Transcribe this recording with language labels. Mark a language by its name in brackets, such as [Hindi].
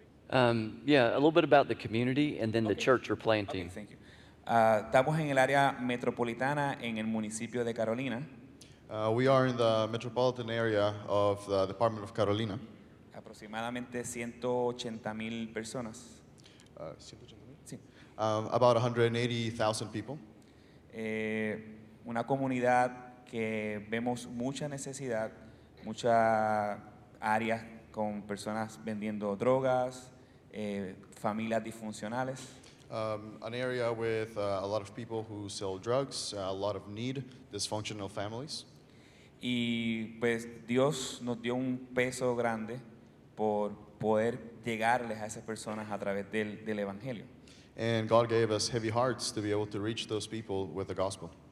[English] a little bit about the community and then the church you're planting. Okay, thank you. [Spanish] Estamos en el área metropolitana en el municipio de Carolina. [English] We are in the metropolitan area of the Department of Carolina. [Spanish] Aproximadamente 180,000 personas. [English] About 180,000 people. [Spanish] Una comunidad que vemos mucha necesidad, mucha áreas con personas vendiendo drogas, familias disfuncionales. [English] An area with a lot of people who sell drugs, a lot of need, dysfunctional families. [Spanish] Y pues Dios nos dio un peso grande por poder llegarles a esas personas a través del Evangelio. [English] And God gave us heavy hearts to be able to reach those people with the gospel.